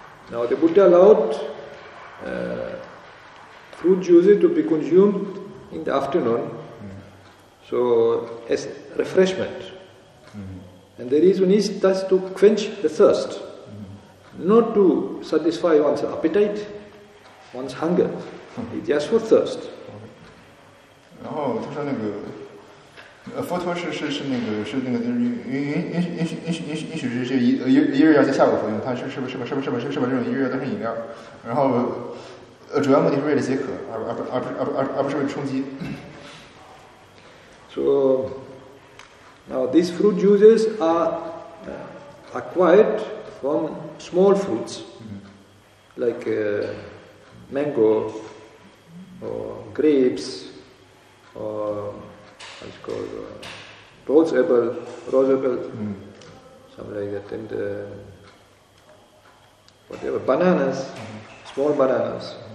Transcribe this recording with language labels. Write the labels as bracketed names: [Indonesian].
[English] Now the Buddha allowed fruit juices to be consumed in the afternoon, so as refreshment. And the reason is thus to quench the thirst, not to satisfy one's appetite, one's hunger. It's just for thirst. [Chinese] 然后他说那个。佛陀是一日要在下午服用，它是不是这种饮料？然后主要目的是为了解渴，而不是为了充饥。So [English] now these fruit juices are acquired from small fruits like mango or grapes or what's called rose apple, something like that, and whatever, bananas, small bananas.